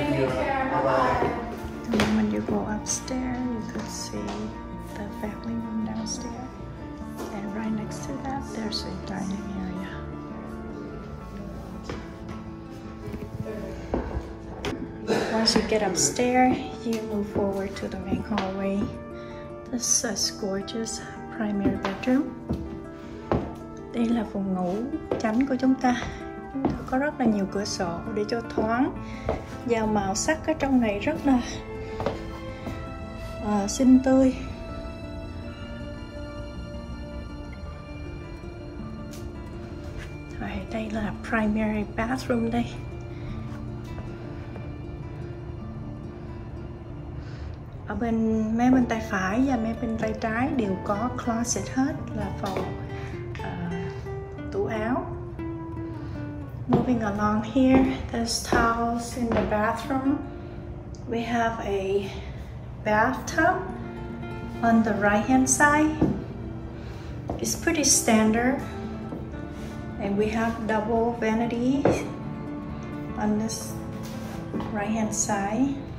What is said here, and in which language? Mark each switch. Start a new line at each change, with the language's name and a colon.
English: The moment you go upstairs, you can see the family room downstairs. Next to that, there's a dining area. Once you get upstairs, you move forward to the main hallway. This is a gorgeous primary bedroom.
Vietnamese: Đây là phòng ngủ chính của chúng ta. Có rất là nhiều cửa sổ để cho thoáng. Và màu sắc ở trong này rất là xinh tươi. Đây là primary bathroom đây. Ở bên mé bên tay phải và mé bên tay trái đều có closet hết, là phòng tủ áo.
English: Moving along here, there's towels in the bathroom. We have a bathtub on the right hand side. It's pretty standard. And we have double vanity on this right hand side.